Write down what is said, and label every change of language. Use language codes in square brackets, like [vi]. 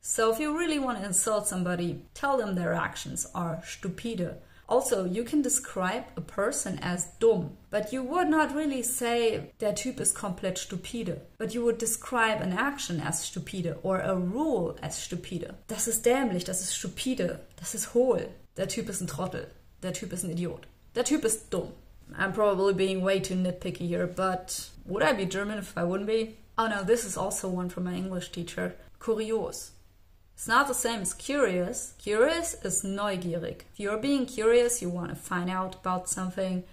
[en] So if you really want to insult somebody, tell them their actions are stupide. Also, you can describe a person as dumm, but you would not really say [de] der Typ ist komplett stupide, [en] but you would describe an action as stupide or a rule as stupide. [de] Das ist dämlich, das ist stupide, das ist hohl, der Typ ist ein Trottel, der Typ ist ein Idiot, der Typ ist dumm. [en] I'm probably being way too nitpicky here, but would I be German if I wouldn't be? Oh no, this is also one from my English teacher. Kurios. It's not the same as curious. Curious is neugierig. If you're being curious, you want to find out about something.